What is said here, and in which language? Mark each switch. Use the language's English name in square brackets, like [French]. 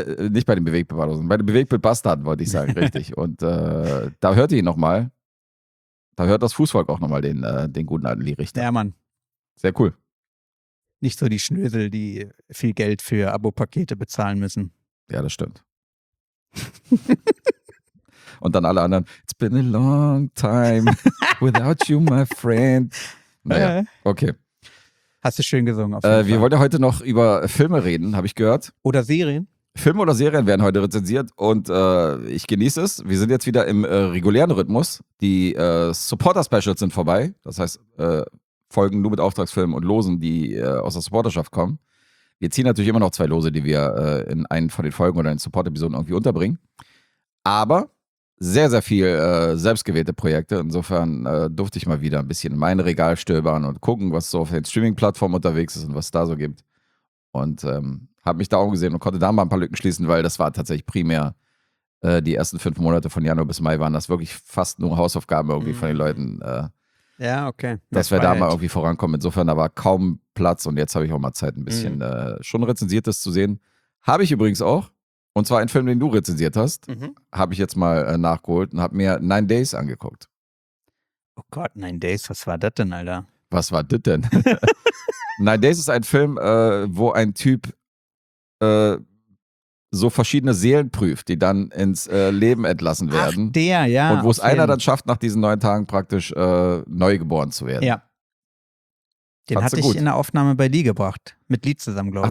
[German] Nicht bei den Bewegtbanausen. Bei den Bewegtbastarden wollte ich sagen, richtig. Und da hört ihr nochmal. Da hört das Fußvolk auch nochmal den guten alten Lee Richter. Ja, Mann. Sehr cool. Nicht so die Schnösel, die viel Geld für Abo-Pakete bezahlen müssen. Ja, das stimmt. Und dann alle anderen. [English] It's been a long time without you, my friend. [German] Naja, okay. Hast du schön gesungen. Auf jeden Fall. Wir wollen ja heute noch über Filme reden, habe ich gehört. Oder Serien. Filme oder Serien werden heute rezensiert und ich genieße es. Wir sind jetzt wieder im regulären Rhythmus. Die Supporter-Specials sind vorbei. Das heißt, Folgen nur mit Auftragsfilmen und Losen, die aus der Supporterschaft kommen. Wir ziehen natürlich immer noch zwei Lose, die wir in einen von den Folgen oder in Support-Episoden irgendwie unterbringen. Aber sehr, sehr viel selbstgewählte Projekte. Insofern durfte ich mal wieder ein bisschen in mein Regal stöbern und gucken, was so auf den Streaming-Plattformen unterwegs ist und was es da so gibt. Und habe mich da umgesehen und konnte da mal ein paar Lücken schließen, weil das war tatsächlich primär die ersten 5 Monate von Januar bis Mai waren das wirklich fast nur Hausaufgaben irgendwie von den Leuten. Ja, okay. Dass wir da mal irgendwie vorankommen. Insofern, da war kaum Platz und jetzt habe ich auch mal Zeit, ein bisschen schon Rezensiertes zu sehen. Habe ich übrigens auch. Und zwar einen Film, den du rezensiert hast, habe ich jetzt mal nachgeholt und habe mir 9 Days angeguckt. Oh Gott, 9 Days, was war das denn, Alter? Was war das denn? 9 Days ist ein Film, wo ein Typ so verschiedene Seelen prüft, die dann ins Leben entlassen werden. Ach, der, ja. Und wo es einer dann schafft, nach diesen 9 Tagen praktisch neu geboren zu werden. Ja. Den hatte ich in der Aufnahme bei Lee gebracht. Mit Lee zusammen, glaube ich.